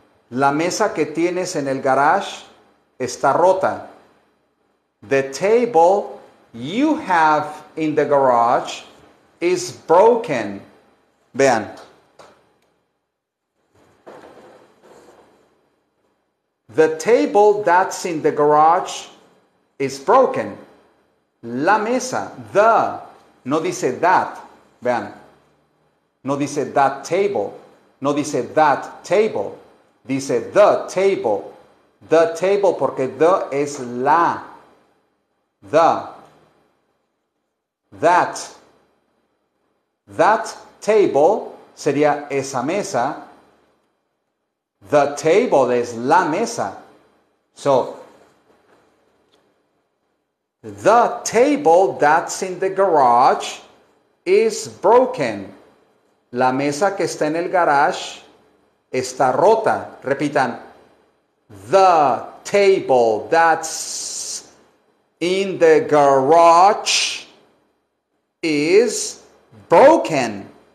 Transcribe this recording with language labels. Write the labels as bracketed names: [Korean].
[Spanish] La mesa que tienes en el garage está rota. [English] The table you have in the garage is broken. Vean. The table that's in the garage is broken. [Spanish] La mesa, the, no dice that, vean. No dice that table, no dice that table. Dice the table. The table porque the es la. The. That table sería esa mesa. The table es la mesa. [English] So, the table that's in the garage is broken. [Spanish] La mesa que está en el garage está rota. Repitan. [English] The table that's in the garage is broken.